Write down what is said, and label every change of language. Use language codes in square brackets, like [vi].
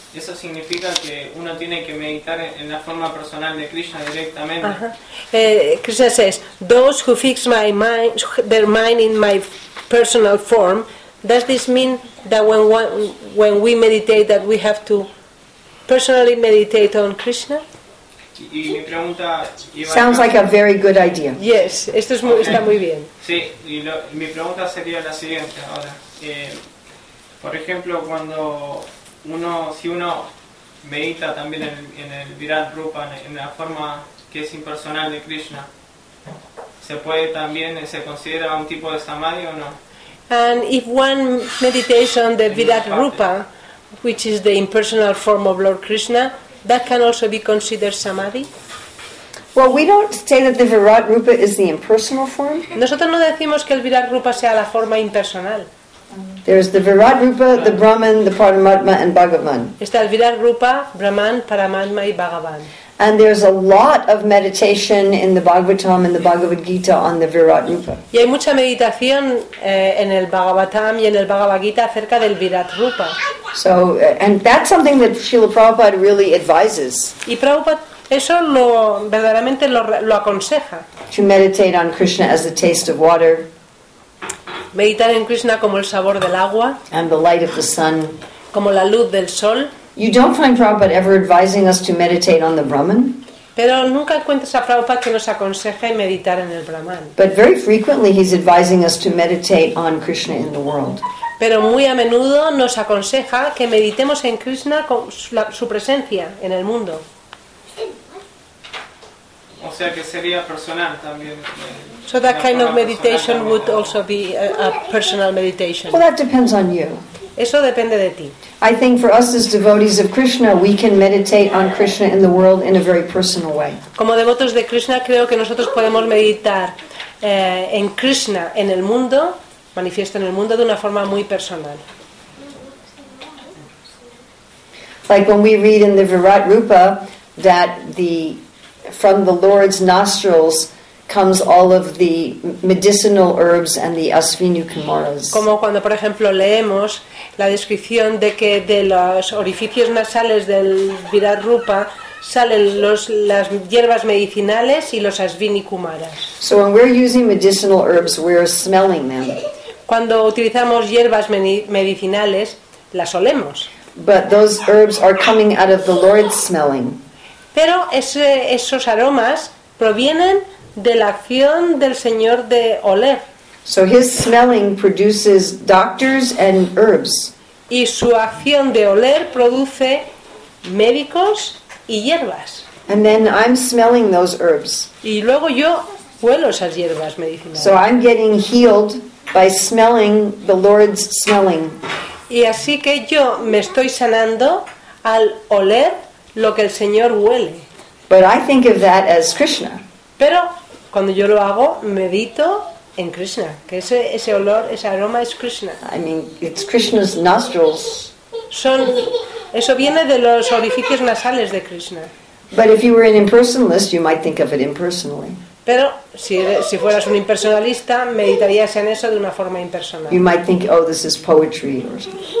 [es] Eso significa que uno tiene que meditar en la forma personal de Krishna directamente. Uh-huh. [en] Krishna says, those who fix their mind in my personal form, does this mean that when we meditate that we have to personally meditate on Krishna? [es] Y mi pregunta iba [en] Sounds like a very good idea. [es] Yes, esto es está muy bien. Sí, y mi pregunta sería la siguiente ahora. Por ejemplo, cuando si uno medita también en el Virat Rupa, en la forma que es impersonal de Krishna, ¿se puede también, se considera un tipo de samadhi o no? [en] And if one meditates on the Virat Rupa, which is the impersonal form of Lord Krishna, that can also be considered samadhi? Well, we don't say that the Virat Rupa is the impersonal form. [es] Nosotros no decimos que el Virat Rupa sea la forma impersonal. [en] There's the Virat Rupa, the Brahman, the Paramatma, and Bhagavan. [es] Está el Virat Rupa, Brahman, Paramatma y Bhagavan. [en] And there's a lot of meditation in the Bhagavatam and the Bhagavad Gita on the Virat Rupa. [es] Y hay mucha meditación en el Bhagavatam y en el Bhagavad Gita acerca del Virat Rupa. [en] So, and that's something that Srila Prabhupada really advises. [es] Y Prabhupada eso lo verdaderamente lo aconseja. [en] To meditate on Krishna as the taste of water. [es] Meditar en Krishna como el sabor del agua. [en] And the light of the sun. [es] Como la luz del sol. [en] You don't find Prabhupada ever advising us to meditate on the Brahman. [es] Pero nunca encuentras a Prabhupada que nos aconseje meditar en el Brahman. [en] But very frequently he's advising us to meditate on Krishna in the world. [es] Pero muy a menudo nos aconseja que meditemos en Krishna con su presencia en el mundo. O sea que sería personal también. [en] So that kind of meditation would also be a personal meditation. Well, that depends on you. [es] Eso depende de ti. [en] I think for us as devotees of Krishna, we can meditate on Krishna in the world in a very personal way. [es] Como devotos de Krishna, creo que nosotros podemos meditar en Krishna en el mundo, manifiesto en el mundo de una forma muy personal. [en] Like when we read in the Virat Rupa that from the Lord's nostrils comes all of the medicinal herbs and the Asvini Kumaras. [es] Como cuando, por ejemplo, leemos la descripción de que de los orificios nasales del Virat Rupa salen las hierbas medicinales y los Asvini Kumaras. [en] So when we're using medicinal herbs, we're smelling them. [es] Cuando utilizamos hierbas medicinales, las olemos. [en] But those herbs are coming out of the Lord's smelling. [es] Pero esos aromas provienen de la acción del Señor de oler. [en] So his smelling produces doctors and herbs. [es] Y su acción de oler produce médicos y hierbas. [en] And then I'm smelling those herbs. [es] Y luego yo huelo esas hierbas medicinales. [en] So I'm getting healed by smelling the Lord's smelling. [es] Y así que yo me estoy sanando al oler lo que el Señor huele. [en] But I think of that as Krishna. [es] Pero cuando yo lo hago, medito en Krishna, que ese olor, ese aroma es Krishna. [en] I mean, it's Krishna's nostrils. [es] Eso viene de los orificios nasales de Krishna. [en] But if you were an impersonalist, you might think of it impersonally. [es] Pero si fueras un impersonalista, meditarías en eso de una forma impersonal. [en] You might think, oh, this is poetry or something.